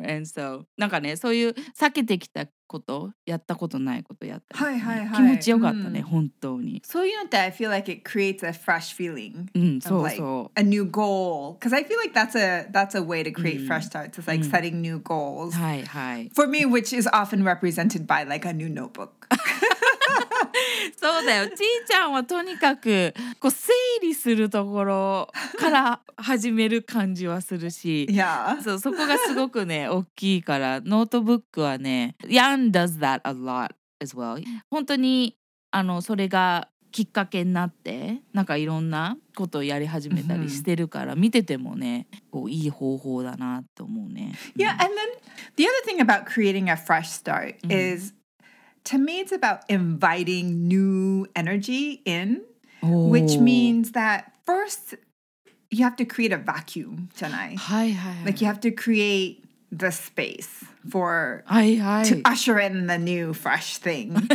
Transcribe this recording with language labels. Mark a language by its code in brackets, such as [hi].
[en] And so, [ja] なんかね、そういう避けてきたこと、やったことないことやった、ね。はいはいはい。気持ちよかったね、本当に。そういうのって、 [en] I feel like it creates a fresh feeling. [ja] そうそう。 [en] A new goal. Because I feel like that's a way to create fresh starts. It's like setting new goals. [ja] はいはい。 [en] For me, which is often represented by like a new notebook. [ja] そうだよ。ちーちゃんはとにかくこう整理するところから始める感じはするし、そこがすごくね大きいから、ノートブックはね、 [en] Yan does that a lot as well。 [ja] 本当にそれがきっかけになって、なんかいろんなことをやり始めたりしてるから、見ててもね、こういい方法だなと思うね。 [en] Yeah, and then the other thing about creating a fresh start is To me, it's about inviting new energy in, which means that first you have to create a vacuum, Janai. Like you have to create the space for to usher in the new fresh thing.